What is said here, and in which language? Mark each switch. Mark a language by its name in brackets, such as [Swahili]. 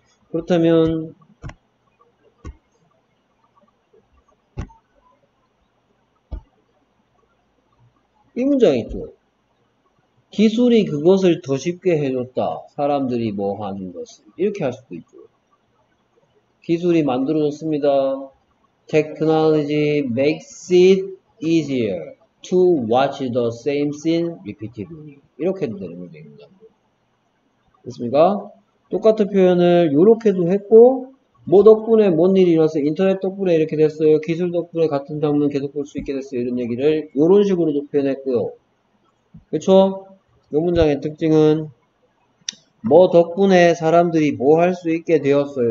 [Korean] 그렇다면 이 문장이 있죠. 기술이 그것을 더 쉽게 해줬다. 사람들이 뭐 하는 것을 이렇게 할 수도 있죠. 기술이 만들어졌습니다. [English] Technology makes it easier to watch the same scene repeatedly. [Korean] 이렇게 해도 되는 문장입니다. 됐습니까? 똑같은 표현을 이렇게도 했고 뭐 덕분에 뭔 일이 일어났어요? 인터넷 덕분에 이렇게 됐어요. 기술 덕분에 같은 장면 계속 볼 수 있게 됐어요. 이런 얘기를 이런 식으로도 표현했고요. 그렇죠? 이 문장의 특징은 뭐 덕분에 사람들이 뭐 할 수 있게 되었어요.